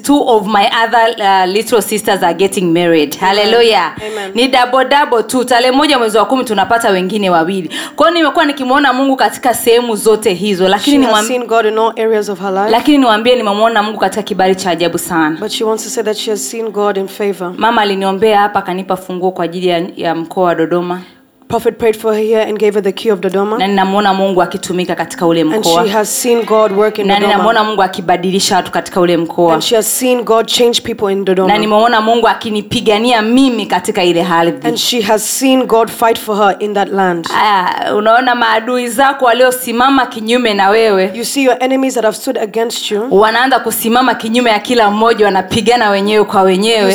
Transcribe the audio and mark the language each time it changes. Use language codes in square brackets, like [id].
[en] Two of my other little sisters are getting married. Hallelujah. Amen. [sw] Ni double tu. Tale moja mwezi wa 10 tunapata wengine wawili. Kwa hiyo nimekuwa nikimuona Mungu katika sehemu zote hizo. Lakini [en] she has seen God in all areas of her life. [sw] Lakini niwaambie nimemuona Mungu katika kibali cha ajabu sana. [en] But she wants to say that she has seen God in favor. [sw] Mama aliniombea hapa kanipa funguo kwa ajili ya mkoa wa Dodoma. [en] Prophet prayed for her here and gave her the key of Dodoma. [sw] Na ninamuona Mungu akitumika katika ule mkoa. [en] And she has seen God work in Dodoma. [sw] Na ninamuona Mungu akibadilisha watu katika ule mkoa. [en] And she has seen God change people in Dodoma. [sw] Na nimeona Mungu akinipigania mimi katika ile hali. [en] And she has seen God fight for her in that land. [sw] Unaona maadui zako waliosimama kinyume na wewe. [en] You see your enemies that have stood against you. [sw] Wanaanza kusimama kinyume ya kila mmoja wanapigana wenyewe kwa wenyewe.